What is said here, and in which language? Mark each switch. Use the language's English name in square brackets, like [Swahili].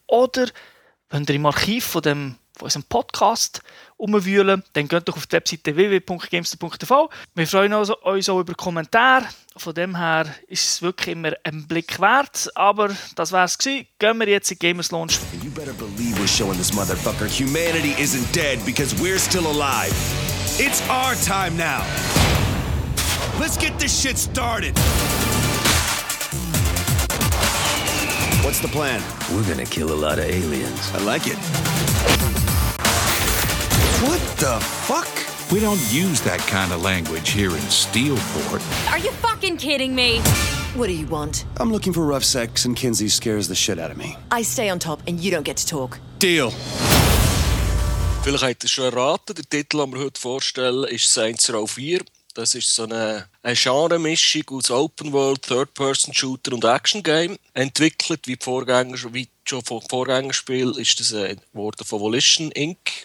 [German] Oder wenn ihr im Archiv von dem von unserem Podcast umwühlen, dann geht doch auf die Webseite www.gamester.tv. Wir freuen uns auch über Kommentare. Von dem her ist es wirklich immer ein Blick wert. Aber das wär's gewesen. Gehen wir jetzt in Gamers Launch. [English] And you better believe we're showing this motherfucker humanity isn't dead because we're still alive. It's our time now. Let's get this shit started. What's the plan? We're gonna kill a lot of aliens. I like it. What the fuck? We don't use that kind of language here in Steelport. Are you fucking kidding me? What do you want? I'm looking for rough sex and Kinsey scares the shit out of me. I stay on top and you don't get to talk. Deal. [German] Vielleicht habt ihr schon erraten, der Titel, den wir heute vorstellen, ist Saints Row 4. Das ist so eine Genre-Mischung aus Open-World, Third-Person-Shooter und Action-Game. Entwickelt wie, Vorgängerspiel ist das worden von Volition Inc.